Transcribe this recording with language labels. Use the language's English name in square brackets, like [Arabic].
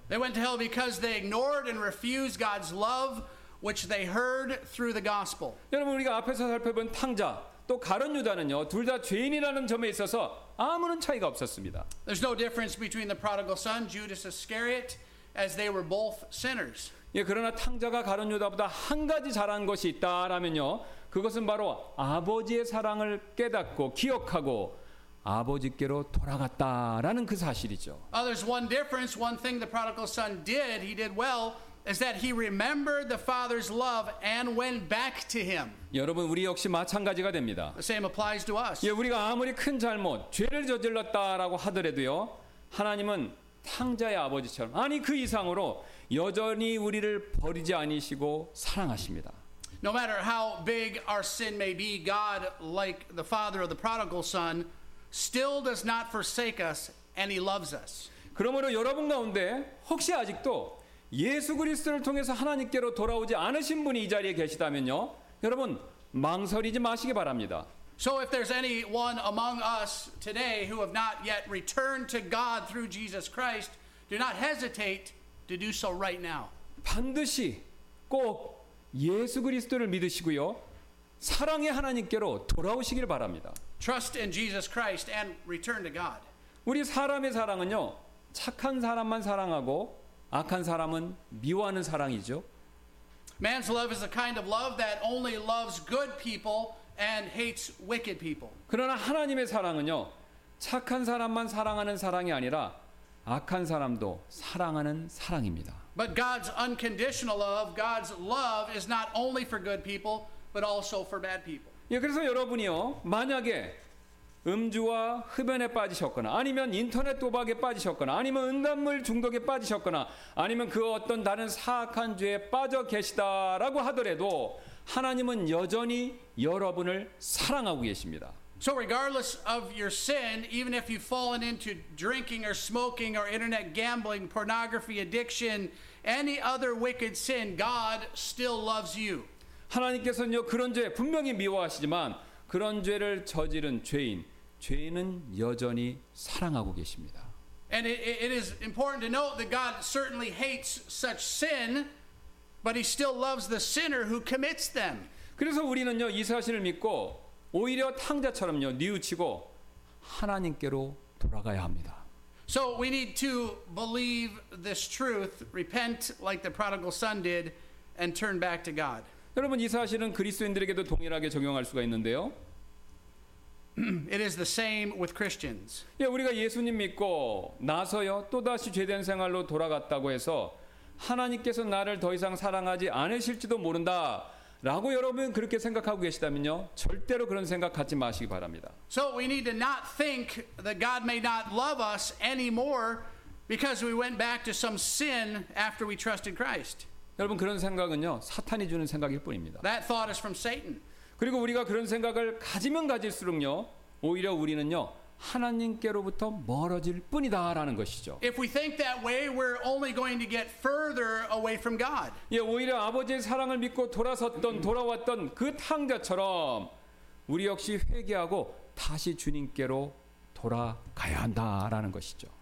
[English] They went to hell because they ignored and refused God's love, which they heard through the gospel. [Korean] 여러분, 우리가 앞에서 살펴본 탕자 또 가룟 유다는요, 둘 다 죄인이라는 점에 있어서 아무런 차이가 없었습니다. [English] There's no difference between the prodigal son, Judas Iscariot, as they were both sinners. [Korean] 예, 그러나 탕자가 가룟 유다보다 한 가지 잘한 것이 있다라면요, 그것은 바로 아버지의 사랑을 깨닫고 기억하고 아버지께로 돌아갔다라는 그 사실이죠. [English] There's one difference, one thing the prodigal son did, he did well, is that he remembered the father's love and went back to him. [Korean] 여러분, 우리 역시 마찬가지가 됩니다. [English] The same applies to us. [Korean] 예, 우리가 아무리 큰 잘못, 죄를 저질렀다라고 하더라도요, 하나님은 탕자의 아버지처럼, 아니 그 이상으로 여전히 우리를 버리지 아니시고 사랑하십니다. [English] No matter how big our sin may be, God, like the father of the prodigal son, still does not forsake us, and he loves us. [Korean] 그러므로 여러분 가운데 혹시 아직도 예수 그리스도를 통해서 하나님께로 돌아오지 않으신 분이 이 자리에 계시다면요, 여러분 망설이지 마시기 바랍니다. [English] So if there's anyone among us today who have not yet returned to God through Jesus Christ, do not hesitate to do so right now. [Korean] 반드시 꼭 예수 그리스도를 믿으시고요, 사랑의 하나님께로 돌아오시길 바랍니다. [English] Trust in Jesus Christ and return to God. [Korean] 우리 사람의 사랑은요, 착한 사람만 사랑하고 악한 사람은 미워하는 사랑이죠. [English] Man's love is a kind of love that only loves good people and hates wicked people. [Korean] 그러나 하나님의 사랑은요, 착한 사람만 사랑하는 사랑이 아니라 악한 사람도 사랑하는 사랑입니다. [English] But God's unconditional love, God's love is not only for good people, but also for bad people. [Korean] 예, 그래서 여러분이요 만약에 음주와 흡연에 빠지셨거나 아니면 인터넷 도박에 빠지셨거나 아니면 음란물 중독에 빠지셨거나 아니면 그 어떤 다른 사악한 죄에 빠져 계시다라고 하더라도 하나님은 여전히 여러분을 사랑하고 계십니다. [English] So regardless of your sin, even if you've fallen into drinking or smoking or internet gambling, pornography, addiction, any other wicked sin, God still loves you. [Korean] 하나님께서는요 그런 죄 분명히 미워하시지만 그런 죄를 저지른 죄인, 죄인은 여전히 사랑하고 계십니다. [English] And it is important to note that God certainly hates such sin, but he still loves the sinner who commits them. [Korean] 그래서 우리는요 이 사실을 믿고 오히려 탕자처럼요 뉘우치고 하나님께로 돌아가야 합니다. [English] So we need to believe this truth, repent like the prodigal son did, and turn back to God. [Korean] 여러분 이 사실은 그리스도인들에게도 동일하게 적용할 수가 있는데요. [English] It is the same with Christians. [Korean] 예, 우리가 예수님 믿고 나서요 또 다시 죄된 생활로 돌아갔다고 해서 하나님께서 나를 더 이상 사랑하지 않으실지도 모른다. 라고 여러분 그렇게 생각하고 계시다면요 절대로 그런 생각 갖지 마시기 바랍니다. [English] So we need to not think that God may not love us anymore because we went back to some sin after we trusted Christ. [Korean] 여러분 그런 생각은요 사탄이 주는 생각일 뿐입니다. [English] That thought is from Satan. [Korean] 그리고 우리가 그런 생각을 가지면 가질수록요 오히려 우리는요 하나님께로부터 멀어질 뿐이다라는 것이죠. [English] If we think that way, we're only going to get further away from God. [Korean] 예, 오히려 아버지의 사랑을 믿고 돌아섰던 돌아왔던 그 탕자처럼 우리 역시 회개하고 다시 주님께로 돌아가야 한다라는 것이죠.